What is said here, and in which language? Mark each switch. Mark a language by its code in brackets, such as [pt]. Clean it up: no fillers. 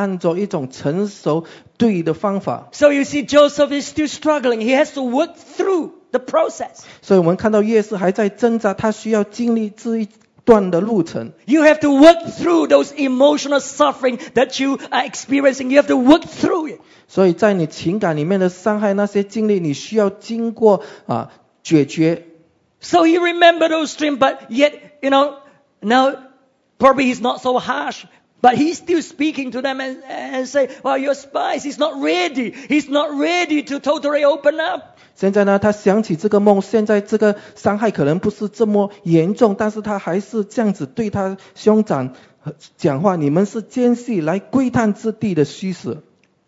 [zh] 但是它会帮助我们来解决问题，按照一种成熟对的方法。 [en] So you see, Joseph is still struggling. He has to work through the process. [zh] 所以我们看到耶稣还在挣扎，他需要经历这一段的路程。 [en] You have to work through those emotional suffering that you are experiencing. You have to work through it. [zh] 所以在你情感里面的伤害，那些经历，你需要经过解决。 [en] So he remembered those dreams, but yet, you know, now probably he's not so harsh. But he's still speaking to them and say, "Well, your spies, he's not ready. He's not ready to totally open up." [zh] 现在呢，他想起这个梦，现在这个伤害可能不是这么严重，但是他还是这样子对他兄长讲话：“你们是奸细，来窥探之地的虚实。”